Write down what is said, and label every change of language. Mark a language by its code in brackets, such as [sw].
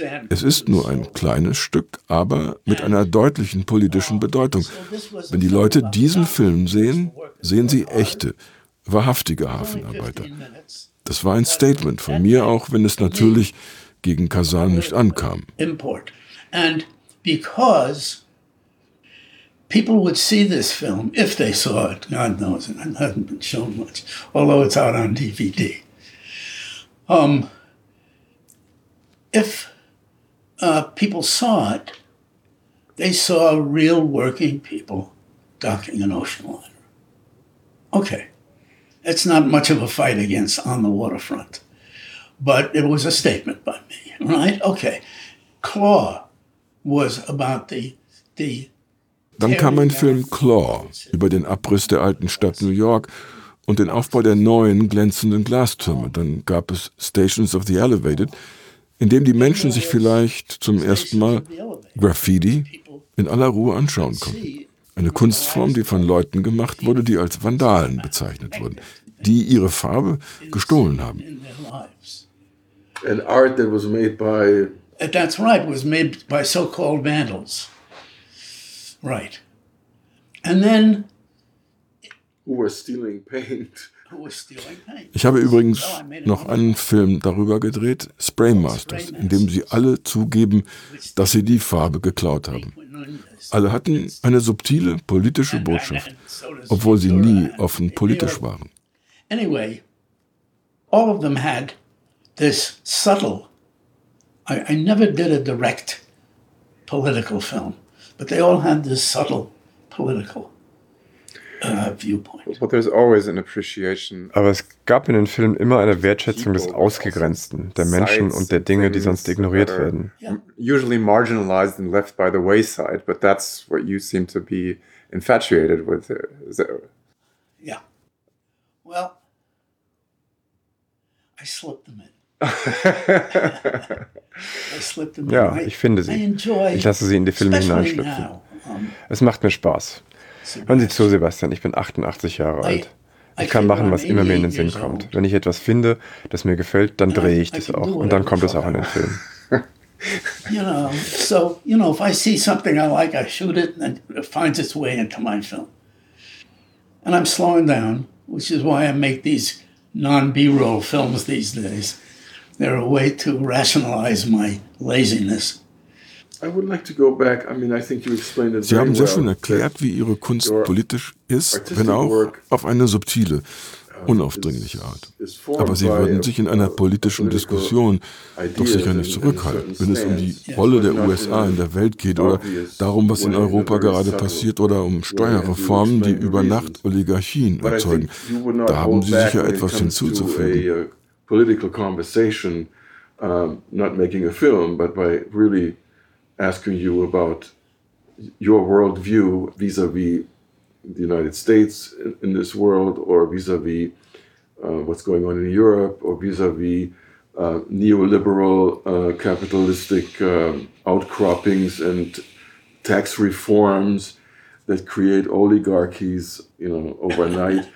[de] Es ist nur ein kleines Stück, aber mit einer deutlichen politischen Bedeutung. Wenn die Leute diesen Film sehen, sehen sie echte, wahrhaftige Hafenarbeiter. Das war ein Statement von mir, auch wenn es natürlich gegen Kazan nicht ankam. [en] And because people would see this film, if they saw it, God knows, it hasn't been shown much, although it's out on DVD. People saw it, they saw real working people docking an ocean liner. Okay, it's not much of a fight against On the Waterfront, but it was a statement by me, right? Okay, Claw was about the [de] Dann kam ein Film Claw über den Abriss der alten Stadt New York und den Aufbau der neuen glänzenden Glastürme. Dann gab es Stations of the Elevated, indem die Menschen sich vielleicht zum ersten Mal Graffiti in aller Ruhe anschauen konnten. Eine Kunstform, die von Leuten gemacht wurde, die als Vandalen bezeichnet wurden, die ihre Farbe gestohlen haben. [en] An art that was made by... That's right, was made by so-called Vandals. Right. And then who were stealing paint. [de] Ich habe übrigens noch einen Film darüber gedreht, Spray Masters, in dem sie alle zugeben, dass sie die Farbe geklaut haben. Alle hatten eine subtile politische Botschaft, obwohl sie nie offen politisch waren. [en] Anyway, all of them had this subtle, I never did a direct political film, but they all had this subtle political viewpoint. But there's always an appreciation. [de] Aber es gab in den Filmen immer eine Wertschätzung des Ausgegrenzten, der Menschen und der Dinge, die sonst ignoriert werden. [en] Usually marginalized and left by the wayside, but that's what you seem to be infatuated with. Yeah. Well, I slipped them in. [de] Ja, ich finde sie. Ich lasse sie in die Filme hineinschlüpfen. Es macht mir Spaß. Hören Sie zu, Sebastian, ich bin 88 Jahre alt. Ich kann machen, was immer mir in den Sinn kommt. Wenn ich etwas finde, das mir gefällt, dann drehe ich das auch. Und dann kommt es auch in den Film. [en] You know, so, you know, if I see something I like, I shoot it and it finds its way into my film. And I'm slowing down, which is why I make these non-B-roll films these days. They're a way to rationalize my laziness. I would like to go back. I mean, I think you explained it. [de] Sie haben sehr schön erklärt, wie Ihre Kunst politisch ist, wenn auch auf eine subtile, unaufdringliche Art. Aber Sie würden sich in einer politischen Diskussion doch sicher nicht zurückhalten, wenn es um die Rolle der USA in der Welt geht oder darum, was in Europa gerade passiert oder um Steuerreformen, die über Nacht Oligarchien erzeugen. Da haben Sie sicher etwas hinzuzufügen. [en] Political conversation, not making a film, but by really asking you about your worldview vis-à-vis the United States in this world, or vis-à-vis what's going on in Europe, or vis-à-vis neoliberal capitalistic outcroppings and tax reforms that create oligarchies, you know, overnight.